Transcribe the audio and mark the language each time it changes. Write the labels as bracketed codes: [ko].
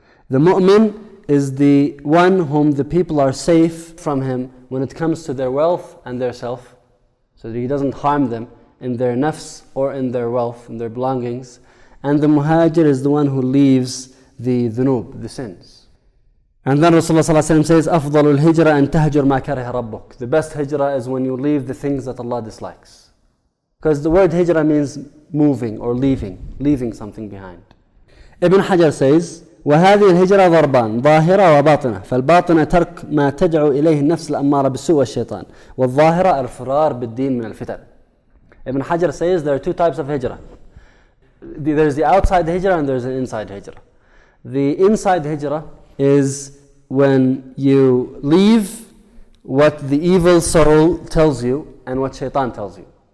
[en] The mu'min is the one whom the people are safe from him when it comes to their wealth and their self, so that he doesn't harm them in their nafs or in their wealth, in their belongings. And the muhajir is the one who leaves the dhunub, the sins. And then Rasulullah ﷺ says, [ar] أَفْضَلُ الْهِجْرَةِ أَنْ تَهْجُرْ مَا كَرِهَ رَبُّكَ. [en] The best hijrah is when you leave the things that Allah dislikes. Because the word hijrah means moving or leaving something behind. Ibn Hajar says, [ar] وَهَذِهِ الْهِجْرَةَ ضَرْبَانَ ظَاهِرَةَ وَبَاطِنَةَ فَالْبَاطِنَةَ تَرْكْ مَا تَدْعُوا إِلَيْهِ النَّفْسِ الْأَمَّارَ بِالسُّوءَ وَالشَّيْطَانَ وَالظَّاهِرَةَ الْفِرَارَ بِالدِّينِ مِنَ الْفِتَنِ. [en] Ibn Hajar says, there are two types of hijrah. There's the outside hijrah and there's an inside hijrah. The inside hijrah is when you leave what the evil soul tells you and what shaitan tells you.